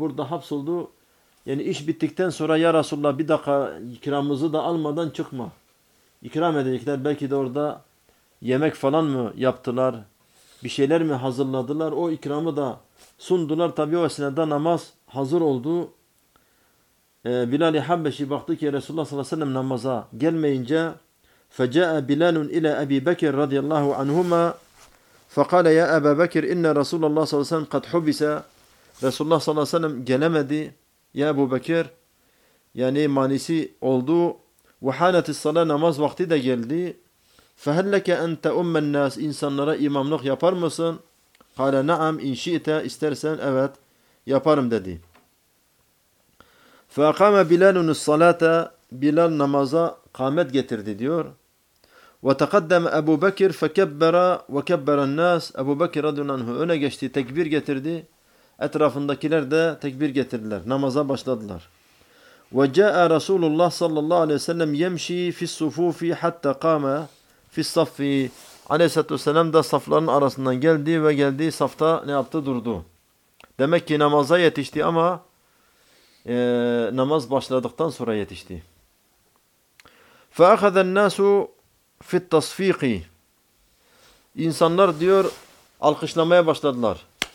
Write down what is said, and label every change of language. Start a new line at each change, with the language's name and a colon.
Turkish: Burada hapsoldu, yani iş bittikten sonra ya Resulullah bir dakika ikramımızı da almadan çıkma. İkram edecekler, belki de orada yemek falan mı yaptılar, bir şeyler mi hazırladılar, o ikramı da sundular. Tabi o esnada namaz hazır oldu. Bilal-i Habbeşi baktı ki Resulullah sallallahu aleyhi ve sellem namaza gelmeyince,
Arabic: فَجَاءَ بِلَالٌ اِلَى اَب۪ي بَكِرْ رَضِيَ اللّٰهُ عَنْهُمَا فَقَالَ يَا أَبَا بَكِرِ اِنَّ رَسُولَ اللّٰهِ صَلَّى اللّٰهُ عَلَيْهِ وَسَلَّمْ قَدْ حُبِسَ.
Turkish: Resulullah sallallahu aleyhi ve sellem gelemedi. Ya Ebu Bekir, yani manisi oldu.
Arabic: وَحَانَتِ الصَّلَاةِ,
Turkish: namaz vakti de geldi.
Arabic: فَهَلَّكَ أَنْتَ اُمَّ النَّاسِ,
Turkish: insanlara imamlık yapar mısın?
Arabic: قَالَ نَعَمْ اِنْ شِئْتَ,
Turkish: istersen evet yaparım dedi.
Arabic: فَاَقَامَ بِلَالُ الصَّلَاةَ,
Turkish: Bilal namaza kâmet getirdi diyor.
Arabic: وتقدم ابو بكر فكبر وكبر الناس. ابو بكر رضي الله عنه
Turkish: öne geçti, tekbir getirdi. Etrafındakiler de tekbir getirdiler. Namaza başladılar.
Arabic: وجاء رسول الله صلى الله عليه وسلم يمشي في الصفوف حتى قام في الصف.
Turkish: Aleyhisselatü Vesselam da safların arasından geldi ve geldi safta ne yaptı? Durdu. Demek ki namaza yetişti ama namaz başladıktan sonra yetişti.
Arabic: فاخذ الناس في التصفيق,
Turkish: insanlar diyor alkışlamaya başladılar.